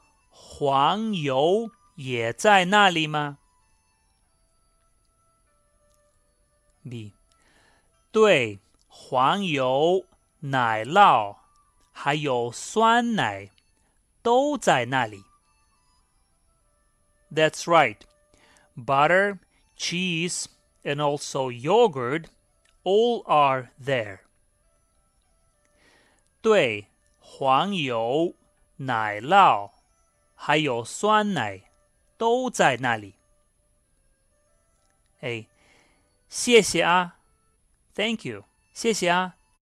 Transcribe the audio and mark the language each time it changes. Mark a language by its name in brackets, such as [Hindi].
[Chinese] 黄油也在那里吗? B. 对,黄油、奶酪,还有酸奶,都在那里。 [English] That's right. Butter, cheese, and also yogurt, all are there. [Chinese] 对，黄油、奶酪，还有酸奶，都在那里。哎，谢谢啊。 [English] Thank you. [Chinese] 谢谢啊。